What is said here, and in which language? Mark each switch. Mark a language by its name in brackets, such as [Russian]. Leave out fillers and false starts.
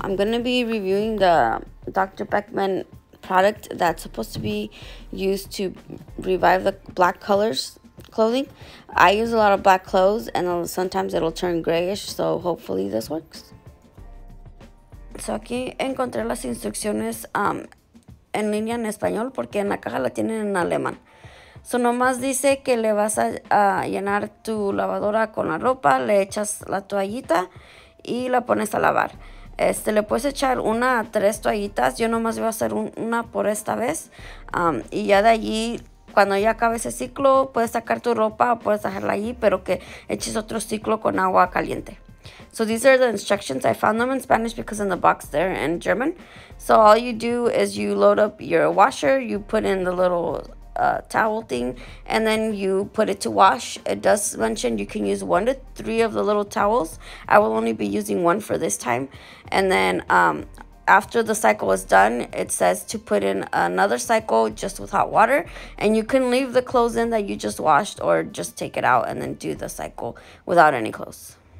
[English] I'm going to be reviewing the Dr.Beckmann product that's supposed to be used to revive the black colors clothing. I use a lot of black clothes and sometimes it'll turn grayish, so hopefully this works. [Spanish] So aquí encontré las instrucciones en línea en español, porque en la caja la tienen en alemán. So nomás dice que le vas a llenar tu lavadora con la ropa, le echas la toallita y la pones a lavar. Le puedes echar una a tres toallitas. Yo nomás voy a hacer una por esta vez. Y ya de allí, cuando ya acabe ese ciclo, puedes sacar tu ropa o puedes dejarla allí, pero que eches otro ciclo con agua caliente. [English] So these are the instructions. I found them in Spanish because in the box they're in German. So all you do is you load up your washer, you put in the little towel thing, and then you put it to wash. It does mention you can use 1 to 3 of the little towels. I will only be using one for this time. And then after the cycle is done, it says to put in another cycle just with hot water, and you can leave the clothes in that you just washed, or just take it out and then do the cycle without any clothes.